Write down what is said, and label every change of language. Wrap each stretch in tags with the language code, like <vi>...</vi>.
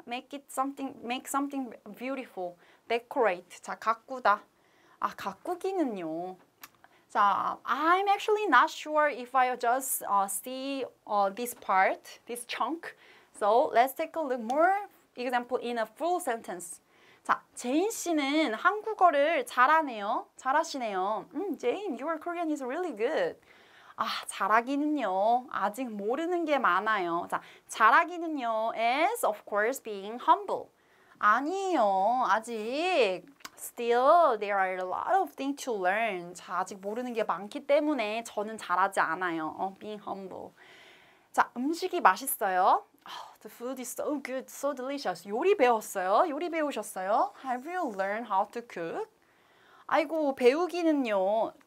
<en>Make something beautiful. Decorate.</en> <ko>자, 가꾸다. 아, 가꾸기는요.</ko> <en>자, I'm actually not sure if I just see this part, this chunk. So let's take a look more example in a full sentence.</en> <ko>자, 제인 씨는 한국어를 잘하네요. 잘하시네요.</ko> <en>제인, your Korean is really good.</en> <ko>아, 잘하기는요. 아직 모르는 게 많아요. 자, 잘하기는요</ko> <en>is, of course, being humble.</en> <ko>아니에요. 아직.</ko> <en>Still, there are a lot of things to learn.</en> <ko>자, 아직 모르는 게 많기 때문에 저는 잘하지 않아요.</ko> <en>Being humble.</en> <ko>자, 음식이 맛있어요.</ko> <en>The food is so good, so delicious.</en> <ko>요리 배웠어요? 요리 배우셨어요?</ko> <en>Have you learned how to cook?</en> <ko>아이고, 배우기는요.</ko>